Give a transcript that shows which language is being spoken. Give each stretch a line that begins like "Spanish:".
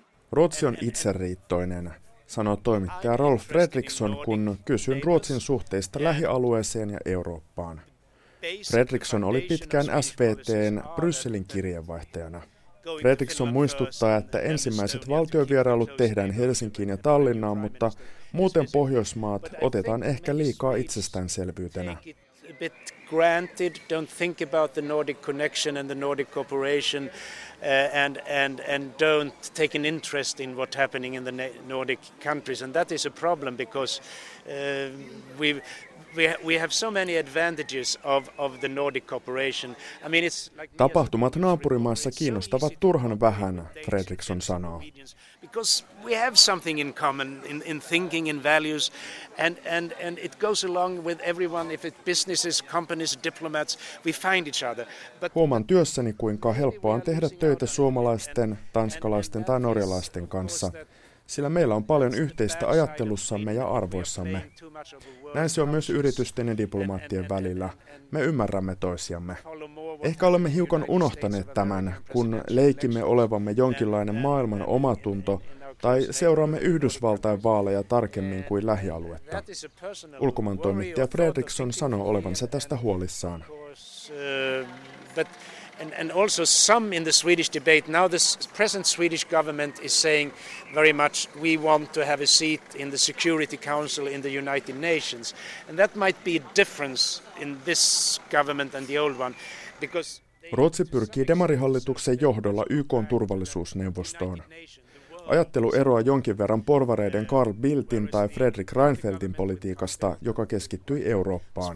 Finnish: Ruotsi on itseriittoinen, sanoo toimittaja Rolf Fredriksson, kun kysyn Ruotsin suhteista lähialueeseen ja Eurooppaan. Fredriksson oli pitkään SVT:n Brysselin kirjeenvaihtajana. Fredriksson muistuttaa, että ensimmäiset valtiovierailut tehdään Helsinkiin ja Tallinnaan, mutta muuten Pohjoismaat otetaan ehkä liikaa itsestäänselvyytenä.
English: Granted, don't think about the Nordic connection and the Nordic cooperation, and don't take an interest in what's happening in the Nordic countries, and that is a problem because we have so many advantages of the Nordic cooperation. I mean, it's like
Finnish: tapahtumat naapurimaassa kiinnostavat turhan vähän, Fredriksson sanoo.
English: Because we have something in common in thinking and values, and it goes along with everyone. If it's businesses, companies, diplomats, we find each other.
Finnish: But huomaan työssäni, kuinka helppoa on tehdä töitä suomalaisten, tanskalaisten tai norjalaisten kanssa. Sillä meillä on paljon yhteistä ajattelussamme ja arvoissamme. Näin se on myös yritysten ja diplomaattien välillä. Me ymmärrämme toisiamme. Ehkä olemme hiukan unohtaneet tämän, kun leikimme olevamme jonkinlainen maailman omatunto tai seuraamme Yhdysvaltain vaaleja tarkemmin kuin lähialuetta. Ulkomaan toimittaja Fredriksson sanoo olevansa tästä huolissaan.
English: And also some in the Swedish debate now the present Swedish government is saying very much we want to have a seat in the Security Council in the United Nations, and that might be a difference in this government and the old one because
Finnish: Ruotsi pyrkii demarihallituksen johdolla YK:n turvallisuusneuvostoon. Ajattelu eroaa jonkin verran porvareiden Carl Bildtin tai Fredrik Reinfeldtin politiikasta, joka keskittyi Eurooppaan.